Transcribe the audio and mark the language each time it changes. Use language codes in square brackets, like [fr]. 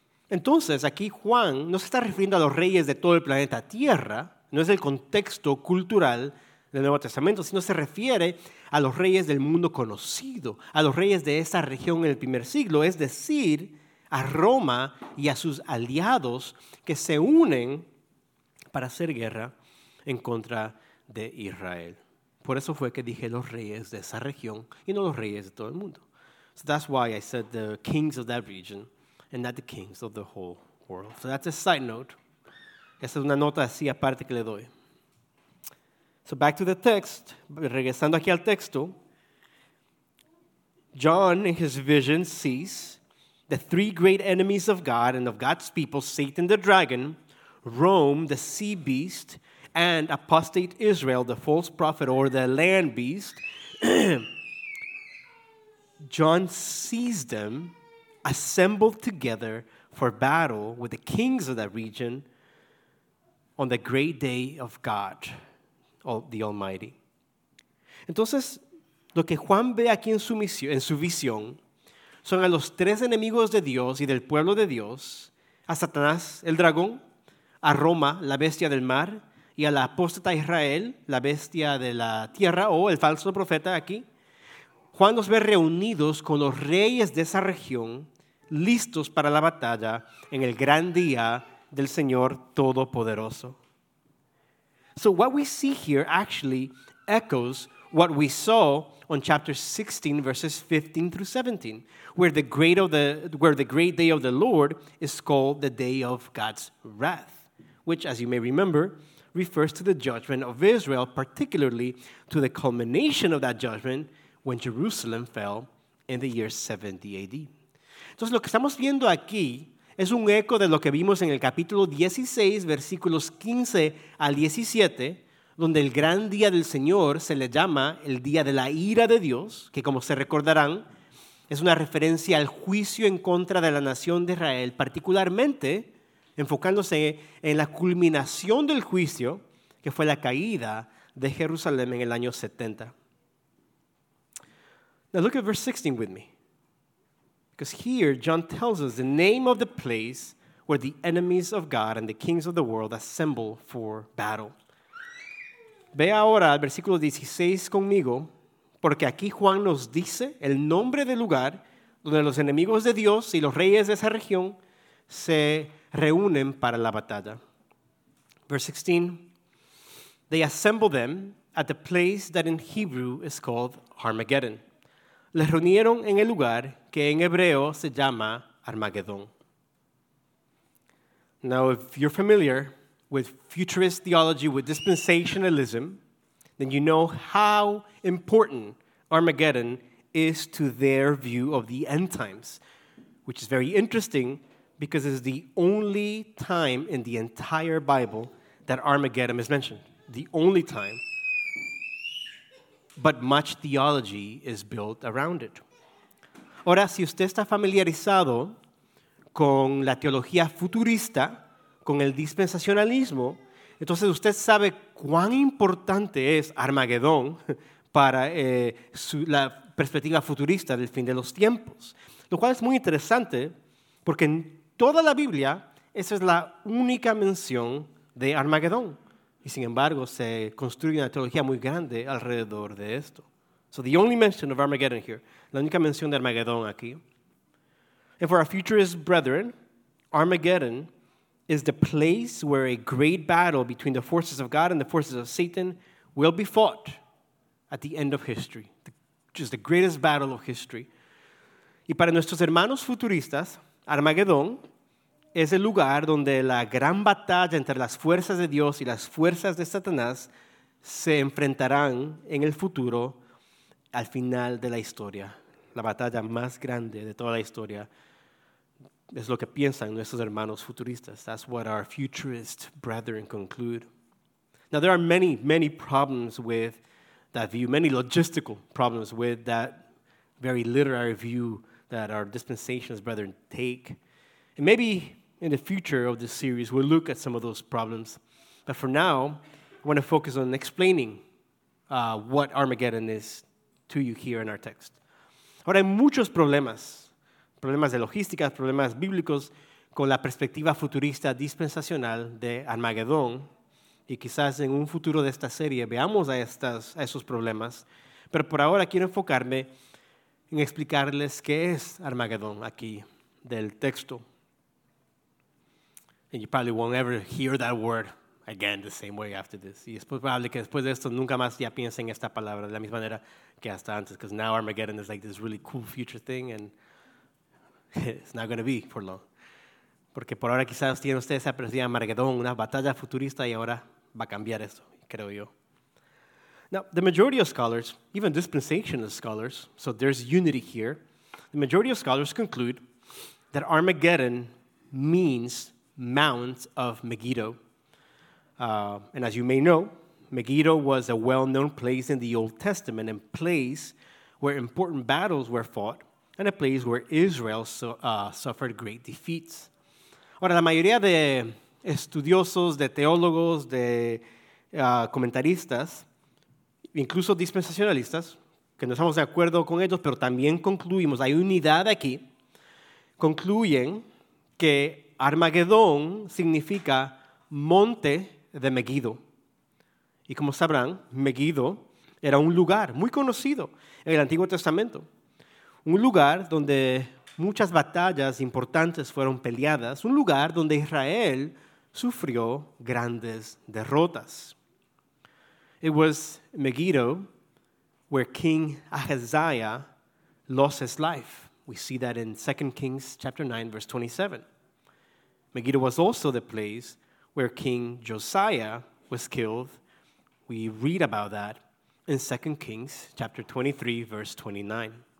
[es] Entonces, aquí Juan no se está refiriendo a los reyes de todo el planeta Tierra, no es el contexto cultural del Nuevo Testamento, sino se refiere a los reyes del mundo conocido, a los reyes de esa región en el primer siglo, es decir, a Roma y a sus aliados que se unen para hacer guerra en contra de Israel. Por eso fue que dije los reyes de esa región y no los reyes de todo el mundo. [en] So that's why I said the kings of that region and not the kings of the whole world. So that's a side note. [es] Esa es una nota así aparte que le doy. [en] So back to the text. [es] Regresando aquí al texto. [en] John, in his vision, sees the three great enemies of God and of God's people, Satan the dragon, Rome, the sea beast, and apostate Israel, the false prophet, or the land beast. John sees them assembled together for battle with the kings of that region on the great day of God, the Almighty. [es] Entonces, lo que Juan ve aquí en su visión son a los tres enemigos de Dios y del pueblo de Dios, a Satanás, el dragón, a Roma, la bestia del mar, y a la apóstata Israel, la bestia de la tierra, o el falso profeta aquí. Juan los ve reunidos con los reyes de esa región, listos para la batalla en el gran día del Señor Todopoderoso. [en] So what we see here actually echoes what we saw on chapter 16, verses 15 through 17, where the great day of the Lord is called the day of God's wrath, which, as you may remember, refers to the judgment of Israel, particularly to the culmination of that judgment when Jerusalem fell in the year 70 AD. [es] Entonces, lo que estamos viendo aquí es un eco de lo que vimos en el capítulo 16, versículos 15 al 17, donde el gran día del Señor se le llama el día de la ira de Dios, que como se recordarán, Es una referencia al juicio en contra de la nación de Israel, particularmente enfocándose en la culminación del juicio, que fue la caída de Jerusalén en el año 70. [en] Now look at verse 16 with me. Because here John tells us the name of the place where the enemies of God and the kings of the world assemble for battle. [es] Ve ahora el versículo 16 conmigo, porque aquí Juan nos dice el nombre del lugar donde los enemigos de Dios y los reyes de esa región se reúnen para la batalla. [en] Verse 16, they assemble them at the place that in Hebrew is called Armageddon. [es] Les reunieron en el lugar que en hebreo se llama Armagedón. [en] Now, if you're familiar with futurist theology, with dispensationalism, then you know how important Armageddon is to their view of the end times, which is very interesting because it's the only time in the entire Bible that Armageddon is mentioned. The only time. But much theology is built around it. [es] Ahora, si usted está familiarizado con la teología futurista, con el dispensacionalismo, entonces usted sabe cuán importante es Armagedón para la perspectiva futurista del fin de los tiempos. Lo cual es muy interesante porque en toda la Biblia esa es la única mención de Armagedón. Y sin embargo, se construye una teología muy grande alrededor de esto. [en] So the only mention of Armageddon here. [es] La única mención de Armagedón aquí. [en] And for our futurist brethren, Armageddon is the place where a great battle between the forces of God and the forces of Satan will be fought at the end of history. Just the greatest battle of history. [es] Y para nuestros hermanos futuristas, Armagedón es el lugar donde la gran batalla entre las fuerzas de Dios y las fuerzas de Satanás se enfrentarán en el futuro al final de la historia. La batalla más grande de toda la historia es lo que piensan nuestros hermanos futuristas. [en] That's what our futurist brethren conclude. Now, there are many, many problems with that view, many logistical problems with that very literary view that our dispensationalist brethren take. And maybe in the future of this series, we'll look at some of those problems. But for now, I want to focus on explaining what Armageddon is to you here in our text. [es] Ahora, hay muchos problemas, problemas de logística, problemas bíblicos, con la perspectiva futurista dispensacional de Armagedón. Y quizás en un futuro de esta serie veamos a esos problemas. Pero por ahora quiero enfocarme en explicarles qué es Armagedón aquí del texto. [en] And you probably won't ever hear that word again the same way after this. [es] Y es probable que después de esto nunca más ya piensen en esta palabra de la misma manera que hasta antes. [en] Because now Armageddon is like this really cool future thing and it's not going to be for long. [es] Porque por ahora quizás tienen ustedes esa perspectiva de Armageddon, una batalla futurista, y ahora va a cambiar eso, creo yo. [en] Now, the majority of scholars, even dispensational scholars, so there's unity here, the majority of scholars conclude that Armageddon means Mount of Megiddo. And as you may know, Megiddo was a well-known place in the Old Testament, a place where important battles were fought, and a place where Israel suffered great defeats. [es] Ahora, la mayoría de estudiosos, de teólogos, de comentaristas, incluso dispensacionalistas, que no estamos de acuerdo con ellos, pero también concluimos, hay unidad aquí, concluyen que Armagedón significa Monte de Megiddo. Y como sabrán, Megiddo era un lugar muy conocido en el Antiguo Testamento. Un lugar donde muchas batallas importantes fueron peleadas. Un lugar donde Israel sufrió grandes derrotas. [en] It was Megiddo where King Ahaziah lost his life. We see that in 2 Kings chapter 9, verse 27. Megiddo was also the place where King Josiah was killed. We read about that in 2 Kings chapter 23, verse 29.